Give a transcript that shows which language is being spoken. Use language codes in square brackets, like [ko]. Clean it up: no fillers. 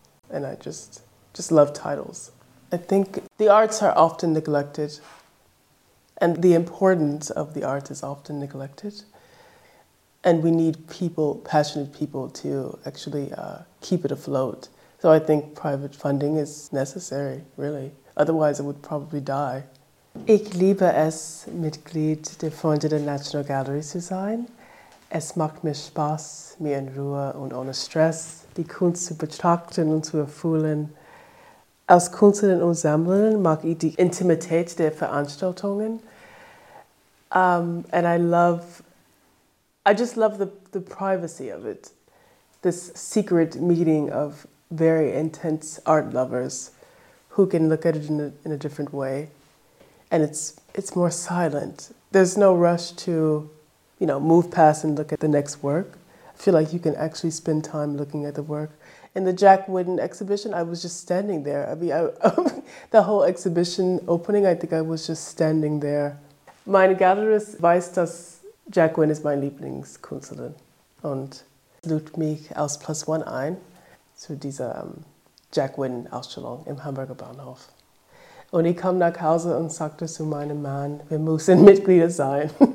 [en] And I just love titles. I think the arts are often neglected, and the importance of the art is often neglected. And we need people, passionate people, to actually keep it afloat. So I think private funding is necessary, really. Otherwise, it would probably die. [de] Ich liebe es, Mitglied der Freunde der National Gallery zu sein. Es macht mir Spaß, mir in Ruhe und ohne Stress die Kunst zu betrachten und zu erfüllen. Als Künstlerin und Sammlerin mag ich die Intimität der Veranstaltungen. [en] And I just love the privacy of it. This secret meeting of very intense art lovers who can look at it in a different way. And it's more silent. There's no rush to, you know, move past and look at the next work. I feel like you can actually spend time looking at the work. In the Jack Whitten exhibition, I was just standing there. I mean, the whole exhibition opening, I think I was just standing there. [de] Meine Galerist weiß, dass Jack Whitten ist meine Lieblingskünstlerin und lud mich als Plus One ein zu dieser Jack Whitten Ausstellung im Hamburger Bahnhof. Und ich kam nach Hause und sagte zu meinem Mann, wir müssen Mitglieder sein.